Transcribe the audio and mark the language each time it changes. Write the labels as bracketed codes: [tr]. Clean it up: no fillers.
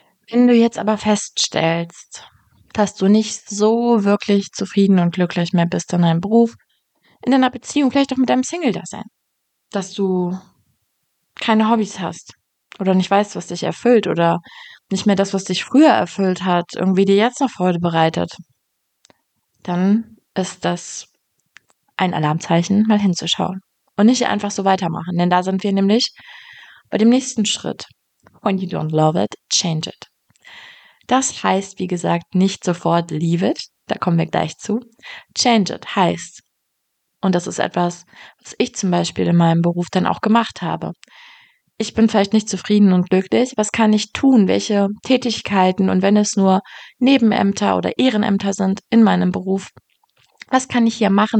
[de] Wenn du jetzt aber feststellst, dass du nicht so wirklich zufrieden und glücklich mehr bist in deinem Beruf, in deiner Beziehung, vielleicht auch mit deinem Single-Dasein, dass du keine Hobbys hast oder nicht weißt, was dich erfüllt oder nicht mehr das, was dich früher erfüllt hat, irgendwie dir jetzt noch Freude bereitet, dann ist das ein Alarmzeichen, mal hinzuschauen und nicht einfach so weitermachen. Denn da sind wir nämlich bei dem nächsten Schritt. [en] When you don't love it, change it. [de] Das heißt, wie gesagt, nicht sofort [en] leave it, [de] da kommen wir gleich zu. [en] Change it [de] heißt, und das ist etwas, was ich zum Beispiel in meinem Beruf dann auch gemacht habe, ich bin vielleicht nicht zufrieden und glücklich. Was kann ich tun? Welche Tätigkeiten und wenn es nur Nebenämter oder Ehrenämter sind in meinem Beruf, was kann ich hier machen?